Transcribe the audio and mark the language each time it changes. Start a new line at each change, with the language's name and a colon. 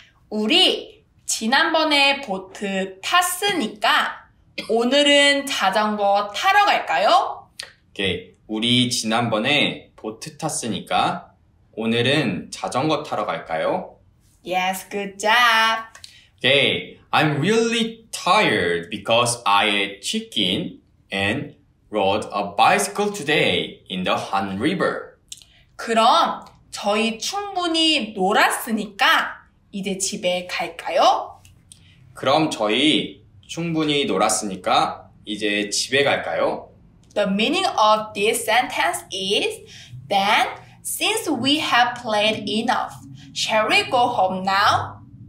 Korean: 우리 지난번에 보트 탔으니까 오늘은 자전거 타러 갈까요?
English: Okay.
Korean: 우리 지난번에 보트 탔으니까 오늘은 자전거 타러 갈까요?
English: Yes, good job. Okay. I'm really tired because I ate chicken and rode a bicycle today in the Han River.
Korean: 그럼 저희 충분히 놀았으니까 이제 집에 갈까요? 그럼 저희 충분히 놀았으니까 이제 집에 갈까요?
English: The meaning of this sentence is then since we have played enough, shall we go home now?